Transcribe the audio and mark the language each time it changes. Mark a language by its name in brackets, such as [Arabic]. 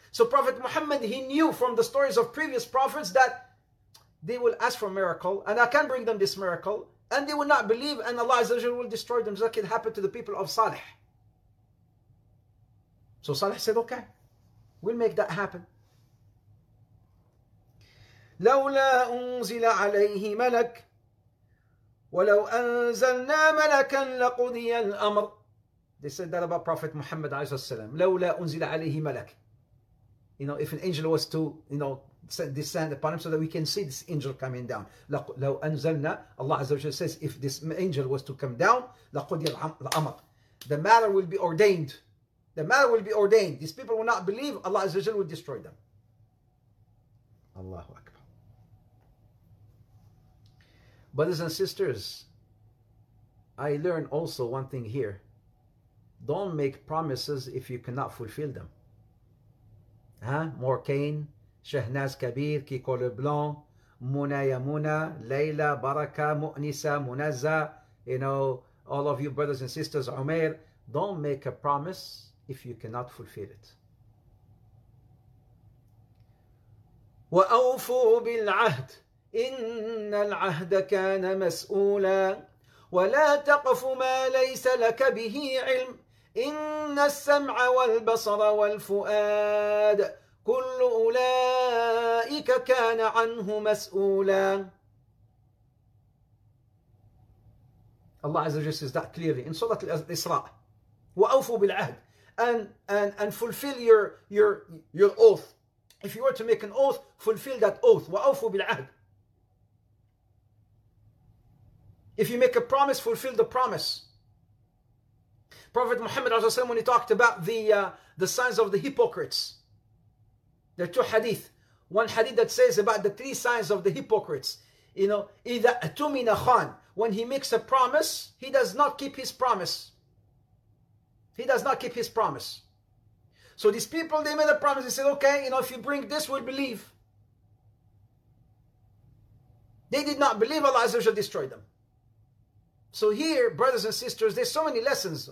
[English] So Prophet Muhammad, he knew from the stories of previous prophets that they will ask for a miracle, and I can bring them this miracle, and they will not believe, and Allah Azza wa Jalla will destroy them, just like it happened to the people of Salih. So Salih said, okay, we'll make that happen. [Arabic] لولا أنزل عليه ملك ولو أنزلنا ملكا لقضي الأمر. [English] They said that about Prophet Muhammad عليه الصلاة والسلام. [Arabic] لولا أنزل عليه ملك. [English] You know, if an angel was to, you know, descend upon him so that we can see this angel coming down. لو أنزلنا, Allah عز وجل says, if this angel was to come down, لقضي الأمر. The matter will be ordained. The matter will be ordained. These people will not believe, Allah عز وجل will destroy them. Allahu Akbar. Brothers and sisters, I learn also one thing here. Don't make promises if you cannot fulfill them. Huh? More Cain, شهناز كبير كي كولو بلون منى يمنى ليلى بركة مؤنسة منزة you know all of you brothers and sisters عمير don't make a promise if you cannot fulfill it. [Arabic] وأوفوا بالعهد إن العهد كان مسؤولا ولا تقف ما ليس لك به علم إن السمع والبصر والفؤاد كل أولئك كان عنه مسؤولا. [English] Allah Azza wa Jalla says that clearly in Surah Al-Isra. وَأَوْفُوا بِالْعَهْدِ and fulfill your oath. If you were to make an oath, fulfill that oath. [Arabic] وَأَوْفُوا بِالْعَهْدِ. [English] If you make a promise, fulfill the promise. Prophet Muhammad Sallallahu Alaihi Wasallam, when he talked about the signs of the hypocrites, there are two hadith. One hadith that says about the three signs of the hypocrites. You know, إِذَا أَتُمِنَ خَانَ. When he makes a promise, he does not keep his promise. He does not keep his promise. So these people, they made a promise. They said, okay, you know, if you bring this, we'll believe. They did not believe Allah Azza wa Jalla destroyed them. So here, brothers and sisters, there's so many lessons.